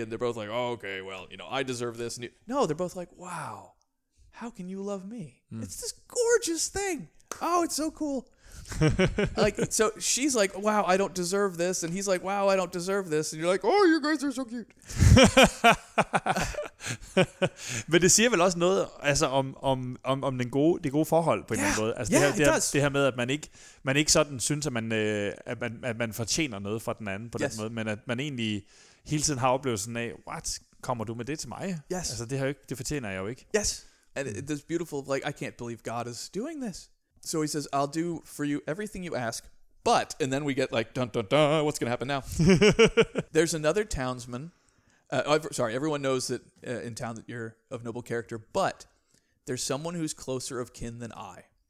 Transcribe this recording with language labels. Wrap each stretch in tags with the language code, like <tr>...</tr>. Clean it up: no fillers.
<en>And they're both like, oh, okay, well, you know, I deserve this. And no, they're both like, wow, how can you love me? Mm. It's this gorgeous thing. Oh, it's so cool. Like, so she's like, wow, I don't deserve this. And he's like, wow, I don't deserve this. And you're like, oh, you guys are so cute.</en> <da>Men det siger vel også noget altså om den gode, det gode forhold på en eller anden måde. Altså, det her med, at man ikke sådan synes, at man fortjener noget fra den anden på den måde, men at man egentlig hele tiden har oplevelsen af, what, kommer du med det til mig?</da> <en>Yes.</en> <da>Altså, det har jo ikke, det fortjener jeg jo ikke. Yes.</da> <en>And it's beautiful, like, I can't believe God is doing this. So he says, I'll do for you everything you ask, but, and then we get like, dun, dun, dun, what's going to happen now? There's another townsman. Everyone knows that in town that you're of noble character, but there's someone who's closer of kin than I.</en>